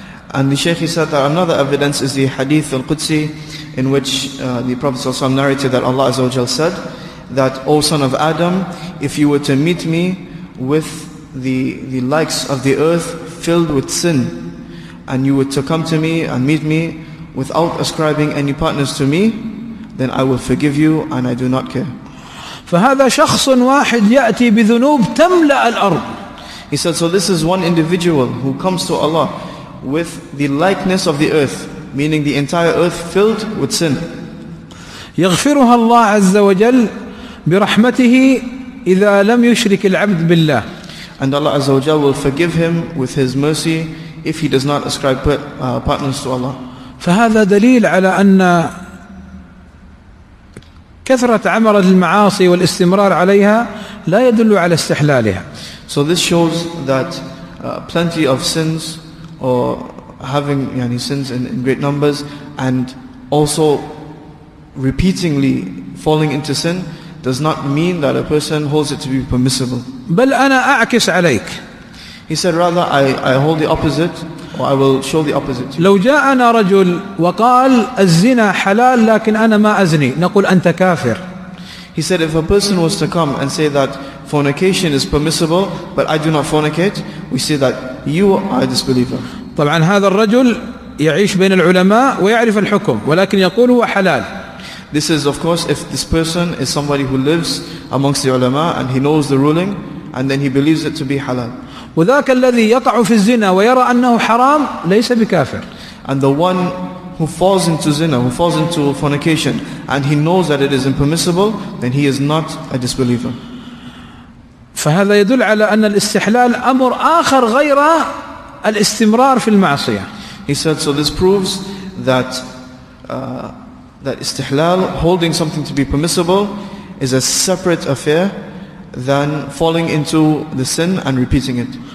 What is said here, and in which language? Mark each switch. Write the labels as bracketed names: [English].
[English] And the Shaykh said that another evidence is the hadith al-Qudsi in which the Prophet صلى الله عليه وسلم narrated that Allah عز وجل said that, O son of Adam, if you were to meet me with the likes of the earth filled with sin, and you were to come to me and meet me without ascribing any partners to me, then I will forgive you and I do not care. [Arabic] فهذا شخص واحد يأتي بذنوب تملأ الأرض. [English] He said, so this is one individual who comes to Allah with the likeness of the earth, meaning the entire earth filled with sin. [Arabic] يغفرها الله عز وجل برحمته إذا لم يشرك العبد بالله. [English] And Allah عز وجل will forgive him with His mercy if he does not ascribe partners to Allah. [Arabic] فهذا دليل على أن كثرة عمل المعاصي والاستمرار عليها لا يدل على استحلالها. [English] So this shows that plenty of sins or having sins in great numbers and also repeatedly falling into sin does not mean that a person holds it to be permissible. [Arabic] بل أنا أعكس عليك. [English] He said, rather I hold the opposite, or I will show the opposite to you. [Arabic] لو جاءنا رجل وقال الزنا حلال لكن أنا ما أزني نقول أنت كافر. [English] He said, if a person was to come and say that fornication is permissible but I do not fornicate, we say that you are a disbeliever. [Arabic] طبعا هذا الرجل يعيش بين العلماء ويعرف الحكم ولكن يقول هو حلال. [English] This is, of course, if this person is somebody who lives amongst the ulama and he knows the ruling and then he believes it to be halal. [Arabic] وذاك الذي يقع في الزنا ويرى أنه حرام ليس بكافر. [English] And the one who falls into zina, who falls into fornication and he knows that it is impermissible, then he is not a disbeliever. [Arabic] فهذا يدل على أن الاستحلال أمر آخر غير الاستمرار في المعصية. [English] He said, so this proves that istihlal, holding something to be permissible, is a separate affair than falling into the sin and repeating it.